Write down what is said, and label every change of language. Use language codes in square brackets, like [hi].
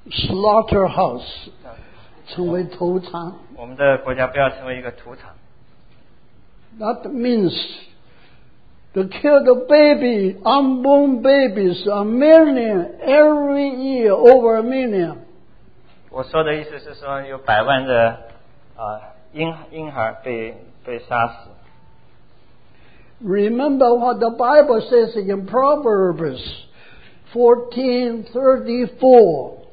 [zh] Slaughterhouse, 成为屠场。我们的国家不要成为一个屠场。 [en] That means to kill the baby, unborn babies, a million every year, over a million. [zh] 我说的意思是说有百万的婴孩被杀死。 [en] Remember what the Bible says in Proverbs 14:34.